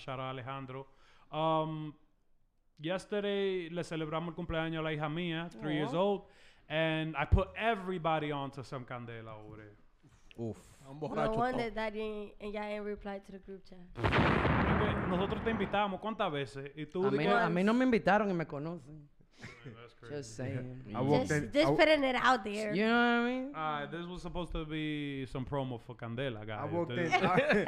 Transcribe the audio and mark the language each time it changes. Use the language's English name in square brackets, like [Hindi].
[English] Shout out Alejandro. Yesterday [Spanish] le celebramos el cumpleaños a la hija mía, [English] 3 years old, and I put everybody on to some Candela over there. Oof. No wonder that ya ain't replied to the group chat. [Spanish] Nosotros te invitamos cuántas veces y tú a mí no me invitaron y me conocen. [English] Just saying. Just putting it out there. You know what I mean? This was supposed to be some promo for Candela, guys.